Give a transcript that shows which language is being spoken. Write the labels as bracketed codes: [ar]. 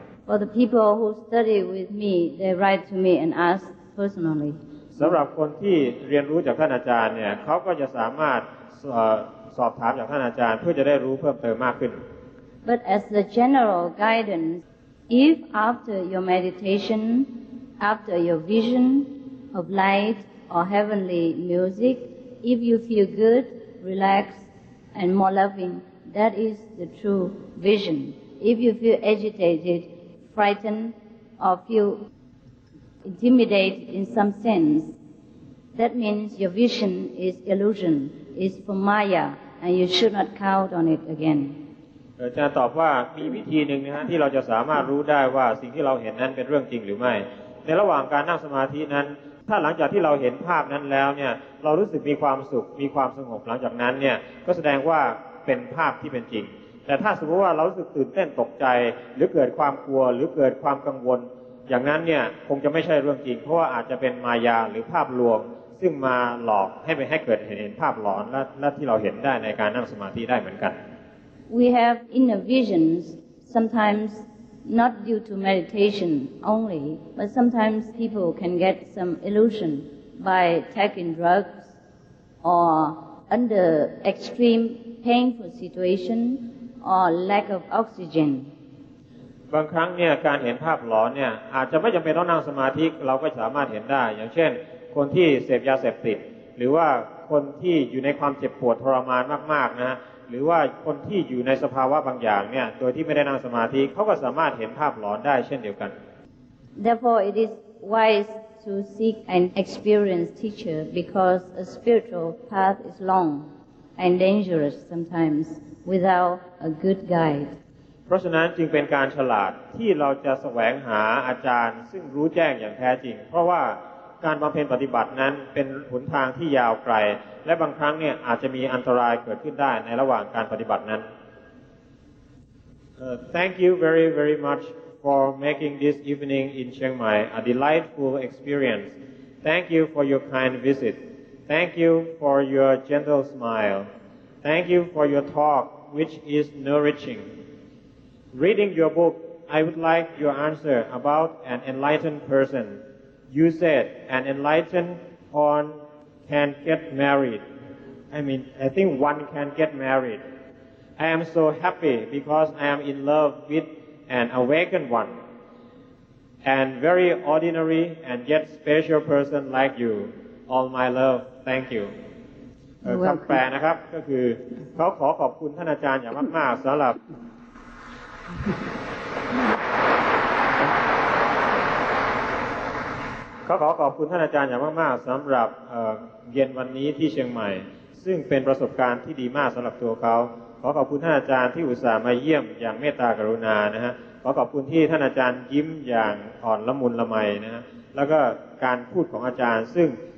[en] For the people who study with me, they write to me and ask personally. [th] สำหรับคนที่เรียนรู้จากท่านอาจารย์เนี่ยเขาก็จะสามารถสอบถามจากท่านอาจารย์เพื่อจะได้รู้เพิ่มเติมมากขึ้น [en] But as the general guidance, if after your meditation, after your vision of light or heavenly music, if you feel good, relaxed, and more loving, that is the true vision. If you feel agitated, frightened, or feel intimidated in some sense, that means your vision is illusion, is for Maya, and you should not count on it again. [th] อาจารย์ตอบว่ามีวิธีหนึ่งนะฮะที่เราจะสามารถรู้ได้ว่าสิ่งที่เราเห็นนั้นเป็นเรื่องจริงหรือไม่ในระหว่างการนั่งสมาธินั้นถ้าหลังจากที่เราเห็นภาพนั้นแล้วเนี่ยเรารู้สึกมีความสุขมีความสงบหลังจากนั้นเนี่ยก็แสดงว่าเป็นภาพที่เป็นจริงแต่ถ้าสมมติว่าเรารู้สึกตื่นเต้นตกใจหรือเกิดความกลัวหรือเกิดความกังวลอย่างนั้นเนี่ยคงจะไม่ใช่เรื่องจริงเพราะว่าอาจจะเป็นมายาหรือภาพลวงซึ่งมาหลอกให้ไปให้เกิดเห็นภาพหลอนและที่เราเห็นได้ในการนั่งสมาธิได้เหมือนกัน [en] We have inner visions sometimes not due to meditation only but sometimes people can get some illusion by taking drugs or under extreme painful situationOr lack of oxygen. [th] บางครั้งเนี่ยการเห็นภาพหลอนเนี่ยอาจจะไม่จำเป็นต้องนั่งสมาธิเราก็สามารถเห็นได้อย่างเช่นคนที่เสพยาเสพติดหรือว่าคนที่อยู่ในความเจ็บปวดทรมานมากๆนะหรือว่าคนที่อยู่ในสภาวะบางอย่างเนี่ยโดยที่ไม่ได้นั่งสมาธิเขาก็สามารถเห็นภาพหลอนได้เช่นเดียวกัน [en] Therefore, it is wise to seek an experienced teacher because a spiritual path is long and dangerous sometimes. Without a good guide. [th] เพราะฉะนั้นจึงเป็นการฉลาดที่เราจะแสวงหาอาจารย์ซึ่งรู้แจ้งอย่างแท้จริงเพราะว่าการบำเพ็ญปฏิบัตินั้นเป็นหนทางที่ยาวไกลและบางครั้งเนี่ยอาจจะมีอันตรายเกิดขึ้นได้ในระหว่างการปฏิบัตินั้น [en] Thank you very very much for making this evening in Chiang Mai a delightful experience. Thank you for your kind visit. Thank you for your gentle smile. Thank you for your talk, which is nourishing. Reading your book, I would like your answer about an enlightened person. You said an enlightened one can get married. I mean, I think one can get married. I am so happy because I am in love with an awakened one, and very ordinary and yet special person like you. All my love. Thank you. [th] คำแปลนะครับก็คือเขาขอขอบคุณท่านอาจารย์อย่างมากๆสำหรับเขาขอขอบคุณท่านอาจารย์อย่างมากๆสำหรับเย็นวันนี้ที่เชียงใหม่ซึ่งเป็นประสบการณ์ที่ดีมากสำหรับตัวเขาขอขอบคุณท่านอาจารย์ที่อุตส่าห์มาเยี่ยมอย่างเมตตากรุณานะฮะขอขอบคุณที่ท่านอาจารย์ยิ้มอย่างอ่อนละมุนละไมนะฮะแล้วก็การพูดของอาจารย์ซึ่ง